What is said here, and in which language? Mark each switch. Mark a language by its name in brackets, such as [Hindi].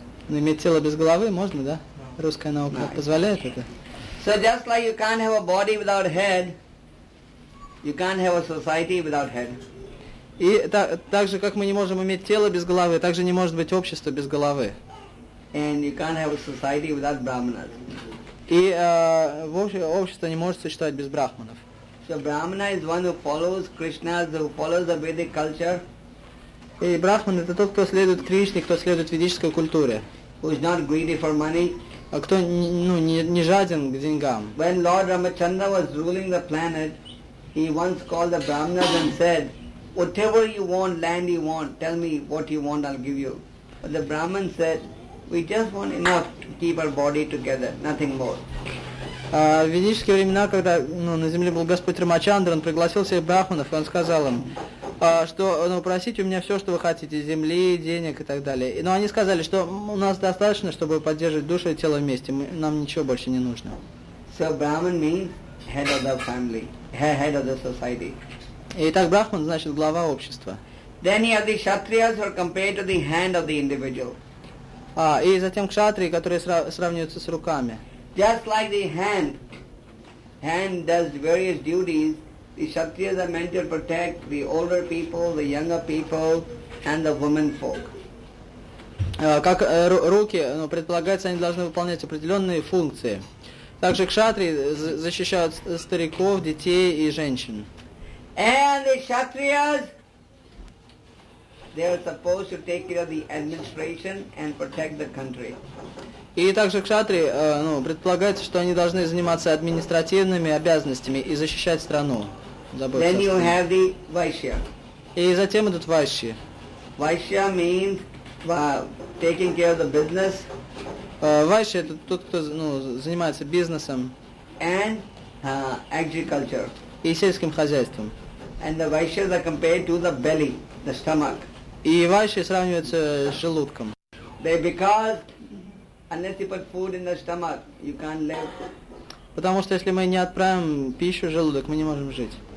[Russian] Иметь тело без головы можно, да? Русская наука позволяет это. [English] So just like you can't have a body without head, you can't have a society without head. [Russian] И так же, как мы не можем иметь тело без головы, так же не может быть общество без головы. [English] And you can't have a society without brahmanas. [Russian] И общество не может существовать без брахманов. [English] So brahmana is one who follows Krishna, who follows the Vedic culture. [Russian] И брахман это тот, кто следует Кришне, кто следует ведической культуре. [English] Who is not greedy for money. [Russian] А кто не жаден к деньгам. [English] When Lord Ramachandra was ruling the planet, he once called the Brahmanas and said, whatever you want, land you want, tell me what you want, I'll give you. But the Brahman said, we just want enough to keep our body together, nothing more. [Russian] В ведические времена, когда на земле был Господь Рамачандра, он пригласил всех брахманов, и он сказал им, что просите у меня все, что вы хотите, земли, денег и так далее. Но они сказали, что у нас достаточно, чтобы поддерживать душу и тело вместе, нам ничего больше не нужно. [English] So Brahman means head of the family. Head of the society. [Russian] Итак, брахман значит глава общества. [English] Then you have the kshatriyas who are compared to the hand of the individual. [Russian] И затем кшатрии, которые сравниваются с руками. [English] Just like the hand does various duties, the kshatriyas are meant to protect the older people, the younger people, and the women folk. [Russian] Как руки, предполагается, они должны выполнять определенные функции. Также кшатрии защищают стариков, детей и женщин. [English] And the kshatriyas, they are supposed to take care of the administration and protect the country. [Russian] И также кшатрии, предполагается, что они должны заниматься административными обязанностями и защищать страну. [English] Then you have the vaishya. [Russian] И затем идут вайши. [English] Vaishya means taking care of the business. [Russian] Вайши – это тот, кто занимается бизнесом [English] and, agriculture. [Russian] И сельским хозяйством. [English] And the vaishyas are compared to the belly, the stomach. [Russian] И вайши сравниваются с желудком. [English] They because unless you put food in the stomach, you can't live. [Russian] Потому что если мы не отправим пищу в желудок, мы не можем жить.